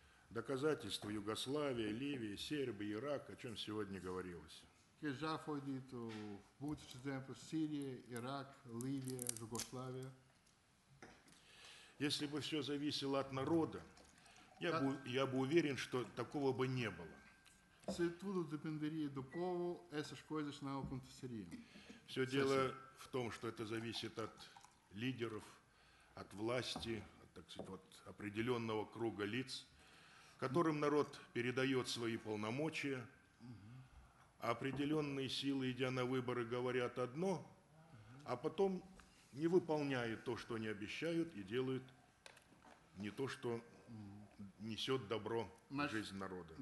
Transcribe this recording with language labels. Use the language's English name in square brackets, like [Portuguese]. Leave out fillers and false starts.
[Russian] Доказательство Югославия, Ливия, Сербия, Ирак, о чем сегодня говорилось. Если бы все зависело от народа, Я бы уверен, что такого бы не было. [Portuguese] Se tudo dependeria do povo, essas coisas não aconteceriam. [Russian] Все дело в том, что это зависит от лидеров, от власти, от, так сказать, вот определенного круга лиц, которым народ передает свои полномочия. А определенные силы, идя на выборы, говорят одно, а потом не выполняют то, что они обещают, и делают не то, что несет добро в жизнь народа.